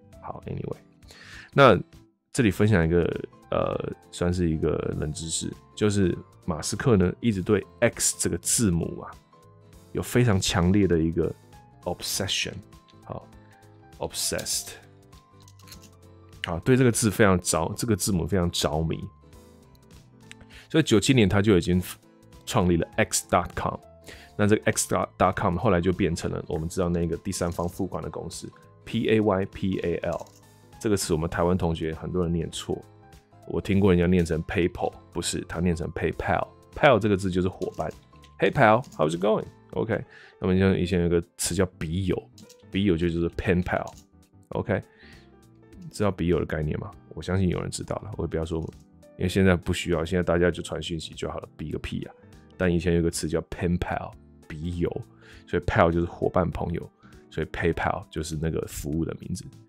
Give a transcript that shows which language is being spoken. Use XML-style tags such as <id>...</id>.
<zh>好 ，anyway， 那这里分享一个算是一个冷知识，就是马斯克呢一直对 X 这个字母啊有非常强烈的一个 obsession， 好 obsessed， 啊对这个字非常着，这个字母非常着迷，所以97年他就已经创立了 X.com。那这个 X.com 后来就变成了我们知道那个第三方付款的公司 PAYPAL， 这个词我们台湾同学很多人念错，我听过人家念成 PayPal， 不是，他念成 PayPal。</zh> <en>PAL</en> <zh>这个字就是伙伴</zh> <en>，Hey pal， how's it going？</en> <zh>OK， 那么像以前有个词叫笔友，笔友就是 pen pal， OK， 知道笔友的概念吗？我相信有人知道了，我不要说，因为现在不需要，现在大家就传讯息就好了，笔个屁啊！但以前有个词叫 pen pal， 笔友，所以 pal 就是伙伴朋友，所以 PayPal 就是那个服务的名字。</zh>